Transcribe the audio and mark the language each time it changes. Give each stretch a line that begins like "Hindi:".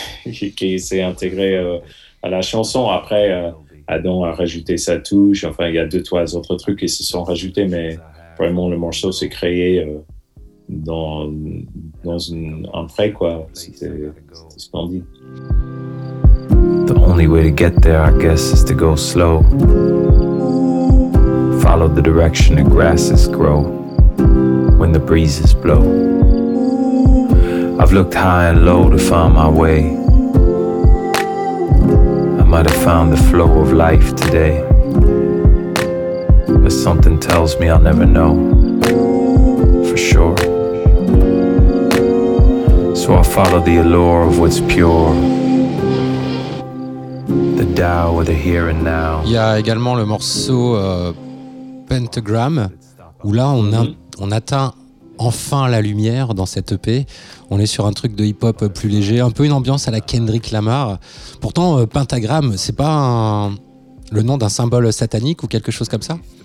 French: Qui s'est intégré à la chanson. Après, Adam a rajouté sa touche. Enfin, il y a deux, trois autres trucs qui se sont rajoutés, mais vraiment, le morceau s'est créé dans un prêt, quoi. C'était splendide.
English: The only way to get there, I guess, is to go slow. Follow the direction the grasses grow when the breezes blow. I've looked high and low to find my way. I might have found the flow of life today, but something tells me I'll never know for sure. So I'll follow the allure of what's pure, the Tao or the here and now.
French: Il y a également le morceau Pentagram, où là on atteint enfin la lumière dans cette EP. On est sur un truc de hip-hop plus léger, un peu une ambiance à la Kendrick Lamar. Pourtant, pentagramme, c'est pas le nom d'un symbole satanique ou quelque chose comme ça?